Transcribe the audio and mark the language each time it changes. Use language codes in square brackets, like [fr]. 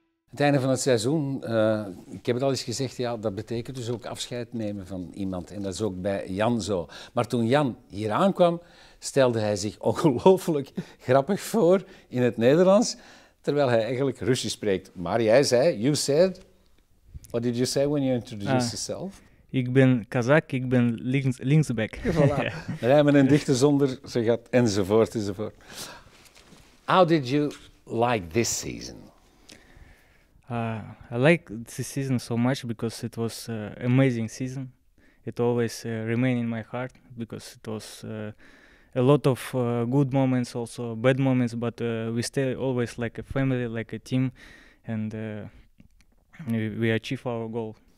[nl] Het einde van het seizoen, ik heb het al eens gezegd, ja, dat betekent dus ook afscheid nemen van iemand. En dat is ook bij Jan zo. Maar toen Jan hier aankwam, stelde hij zich ongelooflijk grappig voor in het Nederlands, terwijl hij eigenlijk Russisch spreekt. Maar jij zei, [en] you said, what did you say when you introduced yourself? [nl] Ik ben Kazak, ik ben linksback. Voilà. Ja. Rijmen en dichten zonder, ze gaat enzovoort, enzovoort. [en] How did you like this season? I like this season so much because it was an amazing season. It always remained in my heart because it was a lot of good moments, also bad moments, but we stay always like a family, like a team, and we achieve our goal.